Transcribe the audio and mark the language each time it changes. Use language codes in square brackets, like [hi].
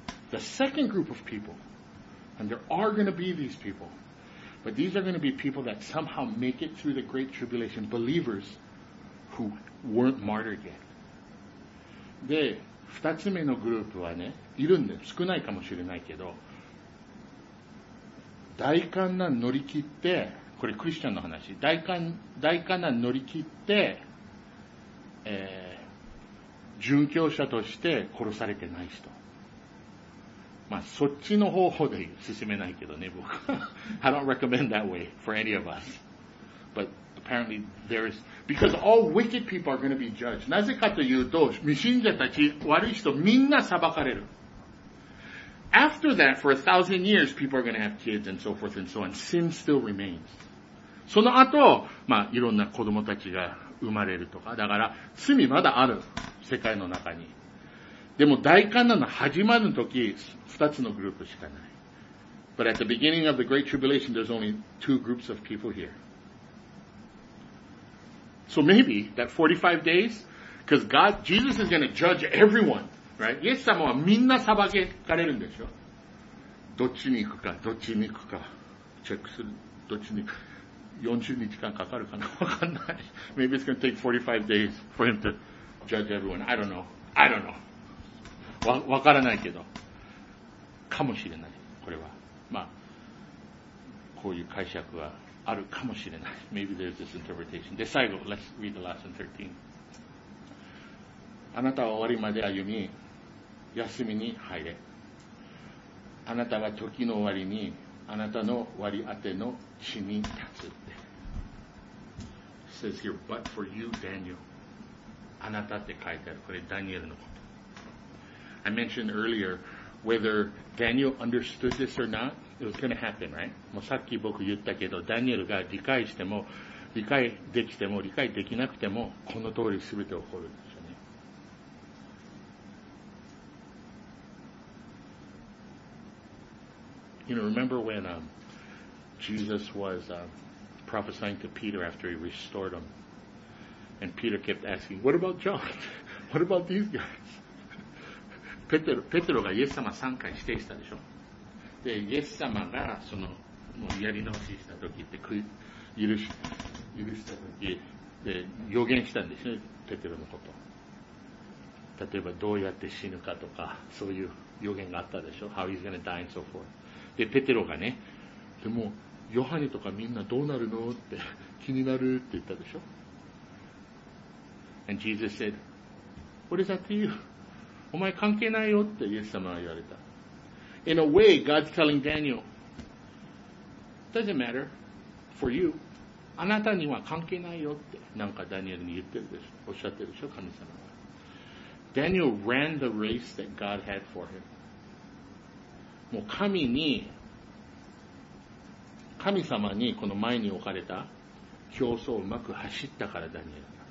[en] The second group of people, and there are going to be these people, but these are going to be people that somehow make it through the Great Tribulation, believers who weren't martyred yet. [ja] で、二つ目のグループはね、いるんで、少ないかもしれないけど、大患難乗り切って、これクリスチャンの話。大患難乗り切って、殉教者として殺されてない人。まあ、そっちの方法で進めないけどね、僕。 [en] I don't recommend that way for any of us. But apparently there is, because all wicked people are going to be judged. [ja] なぜかというと、未信者たち、悪い人、みんな裁かれる。 [en] After that, for 1,000 years, people are going to have kids and so forth and so on. Sin still remains. [ja] その後、まあ、いろんな子供たちが生まれるとか。だから、罪まだある。世界の中に。でも、大患難の始まる時、二つのグループしかない。 [en] But at the beginning of the Great Tribulation, there's only two groups of people here. So maybe, that 45 days, because God, Jesus is going to judge everyone, right? [ja] イエス様はみんな裁かれるんでしょ。どっちに行くか、どっちに行くか、チェックする、どっちに行くか。 40日間かかるかな、わかんない。 [en] Maybe it's going to take 45 days for him to judge everyone. I don't know. [ja] わからないけど。かもしれない。これは。まあ、こういう解釈はあるかもしれない。 [en] Maybe there's this interpretation. [ja] で、最後、 [en] let's read the lesson 13. [ja] あなたは終わりまで歩み、休みに入れ。あなたは時の終わりに、あなたの割り当ての地に立つ。 [en] Says here, but for you, Daniel. [ja] あなたって書いてある。これ、ダニエルのこと。 [en] I mentioned earlier, whether Daniel understood this or not, it was going to happen, right? [ja] もうさっき僕言ったけど、ダニエルが理解しても、理解できても、理解できなくても、この通り全て起こるんですよね。 [en] You know, remember when, Jesus was, prophesying to Peter after he restored him. And Peter kept asking, what about John? What about these guys? [ja] ペテロがイエス様3回指定したでしょ。で、イエス様がその、もうやり直しした時って、許した時で、予言したんですね、ペテロのこと。例えばどうやって死ぬかとか、そういう予言があったでしょ。 [en] How he's gonna die and so forth. [ja] で、ペテロがね、でも、ヨハネとかみんなどうなるのって気になるって言ったでしょ。 [en] And Jesus said, What is that to you? [ja] お前関係ないよってイエス様は言われた。 [en] In a way, God's telling Daniel, doesn't matter for you. [ja] あなたには関係ないよってなんかダニエルに言ってるでしょ。おっしゃってるでしょ、神様は。 [en] Daniel ran the race that God had for him. [ja] もう神に神様にこの前に置かれた競争をうまく走ったからダニエル。